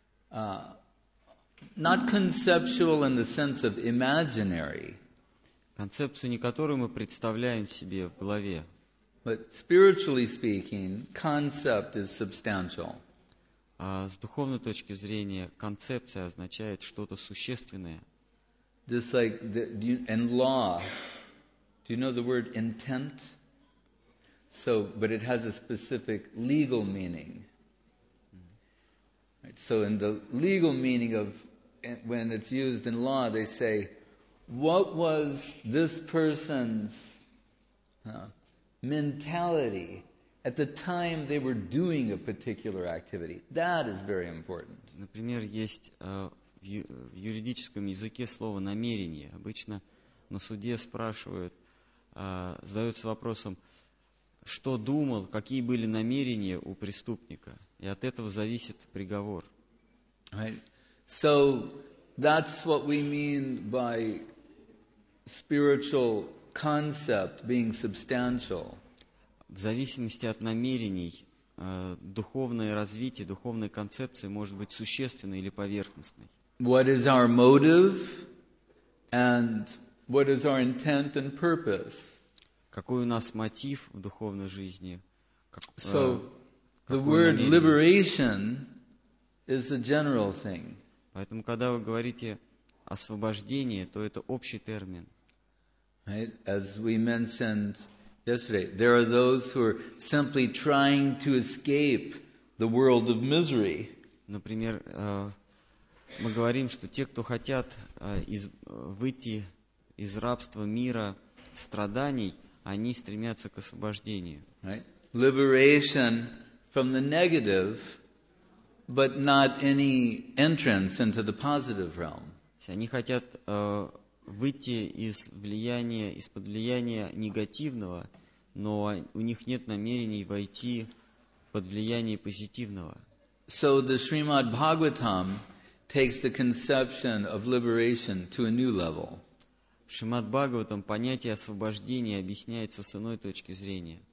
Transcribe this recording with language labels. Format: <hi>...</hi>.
<en>Not conceptual in the sense of imaginary.</en> <ru>Концепцию, не которую мы представляем себе в голове.</ru> <en>But spiritually speaking, concept is substantial.</en> <ru>С духовной точки зрения, концепция означает что-то существенное.</ru> <en>Just like the, in law, do you know the word intent? So, but it has a specific legal meaning. Right, so in the legal meaning of, when it's used in law, they say, what was this person's mentality at the time they were doing a particular activity? That is very important.</en> <ru>Например, есть в юридическом языке слово намерение. Обычно на суде спрашивают, задаются вопросом, что думал, какие были намерения у преступника. И от этого зависит приговор.</ru> <en>Right. So that's what we mean by spiritual concept being substantial.</en> <ru>В зависимости от намерений, духовное развитие, духовная концепция может быть существенной или поверхностной.</ru> <en>What is our motive and what is our intent and purpose?</en> <ru>Какой у нас мотив в духовной жизни?</ru> <en>So, the word liberation is the general thing.</en> <ru>Поэтому, когда вы говорите освобождение, то это общий термин.</ru> <en>Right? As we mentioned yesterday, there are those who are simply trying to escape the world of misery.</en> <ru>Например, мы говорим, что те, кто хотят выйти из рабства мира страданий, они стремятся к освобождению.</ru> <en>Right? Liberation from the negative, but not any entrance into the positive realm.</en> <ru>Они хотят выйти из влияния, из-под влияния негативного, но у них нет намерений войти под влияние позитивного.</ru> <en>So the Srimad Bhagavatam takes the conception of liberation to a new level.</en> <ru>Шримад Бхагаватам понятие освобождения объясняется с иной точки зрения.</ru>